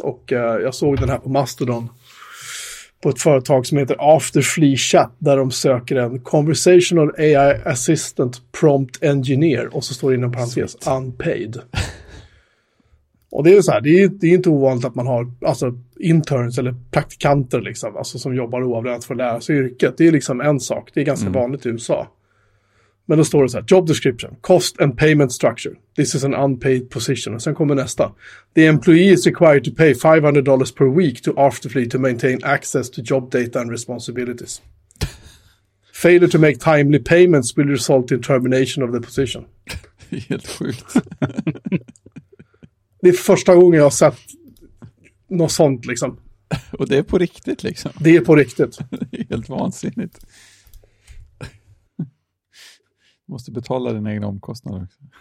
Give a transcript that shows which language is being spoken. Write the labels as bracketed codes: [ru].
[sv] Och jag såg den här på Mastodon. På ett företag som heter Afterfly Chat där de söker en Conversational AI Assistant Prompt Engineer och så står det inom parentes unpaid. Och det är så här, det är inte ovanligt att man har alltså interns eller praktikanter liksom, alltså som jobbar oavlönat för att lära sig yrket. Det är liksom en sak, det är ganska vanligt i USA. Men då står det så här, [en] job description, cost and payment structure. This is an unpaid position. [sv] Och sen kommer nästa. [en] The employee is required to pay $500 per week to Afterfly to maintain access to job data and responsibilities. Failure to make timely payments will result in termination of the position. [sv] Helt sjukt. Det är första gången jag har sett något sånt liksom. Och det är på riktigt liksom. Det är på riktigt. Helt vansinnigt. Måste betala dina egna omkostnader också.